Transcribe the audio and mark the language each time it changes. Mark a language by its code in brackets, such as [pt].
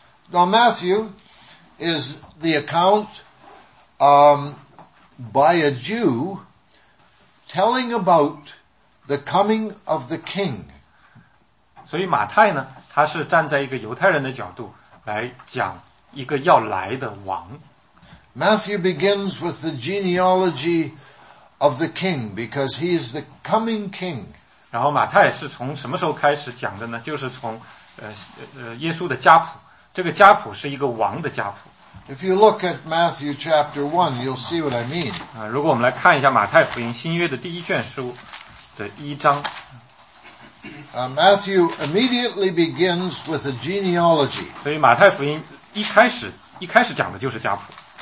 [en] Now Matthew is the account, by a Jew. Telling about the coming of the king. [zh] 所以马太呢，他是站在一个犹太人的角度来讲一个要来的王。 [en] Matthew begins with the genealogy of the king because he is the coming king. [zh] 然后马太是从什么时候开始讲的呢？就是从耶稣的家谱。这个家谱是一个王的家谱。 [en] If you look at Matthew chapter 1, you'll see what I mean. [zh] 如果我们来看一下马太福音新约的第一卷书的一章。 [en] Matthew immediately begins with a genealogy. [zh] 所以马太福音一开始讲的就是家谱。